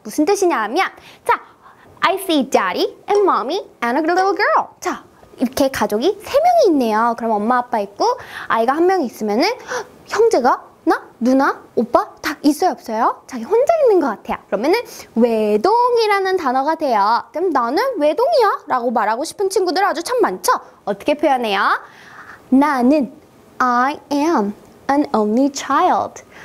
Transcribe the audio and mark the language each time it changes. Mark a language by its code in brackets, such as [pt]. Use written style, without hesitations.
[ko] 무슨 뜻이냐 하면, 자, [en] I see daddy and mommy and a little girl. [ko] 자, 이렇게 가족이 세 명이 있네요. 그럼 엄마, 아빠 있고 아이가 한 명 있으면은 형제가 나, 누나, 오빠 다 있어요, 없어요? 자기 혼자 있는 것 같아요. 그러면은 외동이라는 단어가 돼요. 그럼 나는 외동이야 라고 말하고 싶은 친구들 아주 참 많죠? 어떻게 표현해요? 나는 [en] I am an only child.